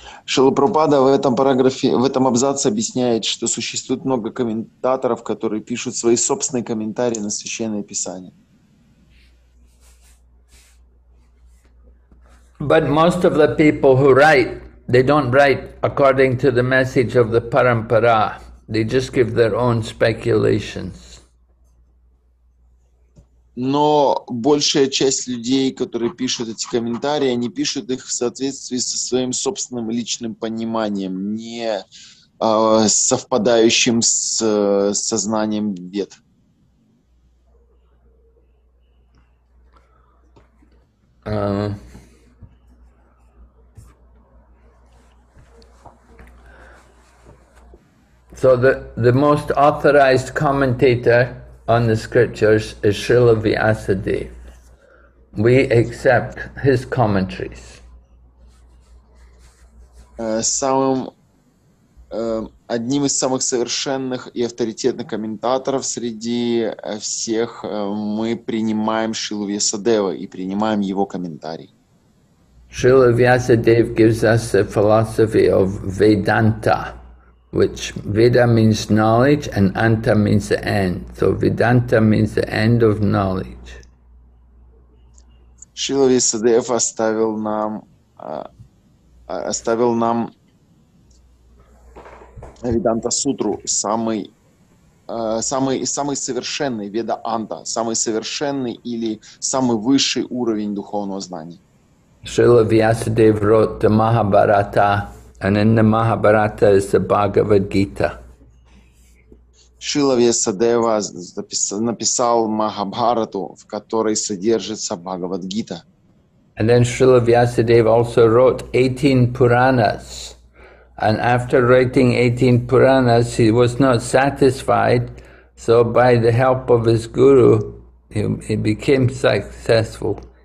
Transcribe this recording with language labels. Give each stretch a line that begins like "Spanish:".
Russian: Шрила Прабхупада в этом абзаце объясняет, что существует много комментаторов, которые пишут свои собственные комментарии на Священное Писание.
English: But most of the people who write, they don't write according to the message of the parampara. They just give their own speculations.
Russian: Но большая часть людей, которые пишут эти комментарии, они пишут их в соответствии со своим собственным личным пониманием, не совпадающим с сознанием Вед.
English: So the most authorized commentator on the scriptures is Srila Vyasadeva. We accept his commentaries.
Russian: Одним из самых совершенных и авторитетных комментаторов среди всех мы принимаем Шрилу Вьясадеву и принимаем его комментарий.
English: Srila Vyasadeva gives us the philosophy of Vedanta, which Veda means knowledge and Anta means the end. So Vedanta means the end of knowledge.
Russian: Шрила Вьясадева оставил нам Веданта Сутру, самый совершенный Веда Анта, самый совершенный или самый высший уровень духовного знания.
English: Шрила Вьясадева wrote the Mahabharata. And in the Mahabharata is the Bhagavad Gita.
Russian: Шрила Вьясадева написал Махабхарату, в которой содержится Бхагавад Гита.
English: And then Шрила Вьясадева also wrote 18 Puranas. And after writing 18 Puranas, he was not satisfied. So by the help of his guru, he became successful.